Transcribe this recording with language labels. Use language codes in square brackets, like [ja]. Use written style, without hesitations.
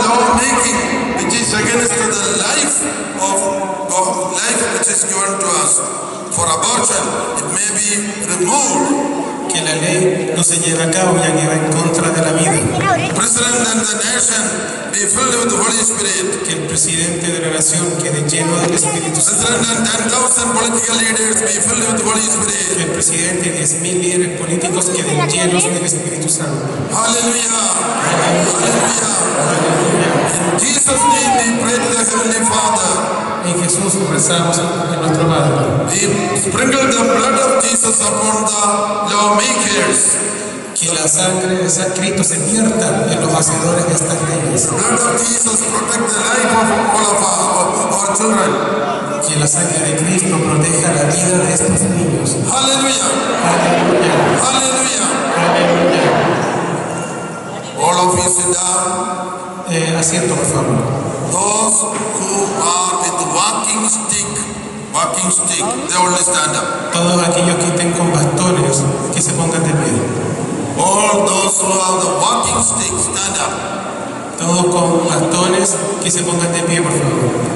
[en] life of life which is given to us. For abortion, it may be removed. [es] Que la ley no se lleve a cabo ya que va en contra de la vida. [en] President and the nation be filled with the Holy Spirit. [es] Que el presidente de la nación quede lleno del Espíritu Santo. [en] President and 10,000 political leaders be filled with the Holy Spirit. [es] Que el presidente y 10,000 líderes políticos queden llenos del Espíritu Santo. [en] Hallelujah. Hallelujah. In Jesus' name we pray to the Heavenly Father. [es] En Jesús rezamos a nuestro Padre. [en] We sprinkle the blood of Jesus upon the lawmakers. [es] Que la sangre de Cristo se vierta en los hacedores de estas leyes. [en] Blood of Jesus protect the life of all of our children. [es] Que la sangre de Cristo proteja la vida de estos niños. Aleluya. Aleluya. Aleluya. [en] All of you sit down. [es] Asiento, por favor. [en] Those who are with walking stick, they will stand up. [es] Todos aquellos que estén con bastones, que se pongan de pie. [en] All those who have the walking stick, stand up. [es] Todos con bastones, que se pongan de pie, por favor.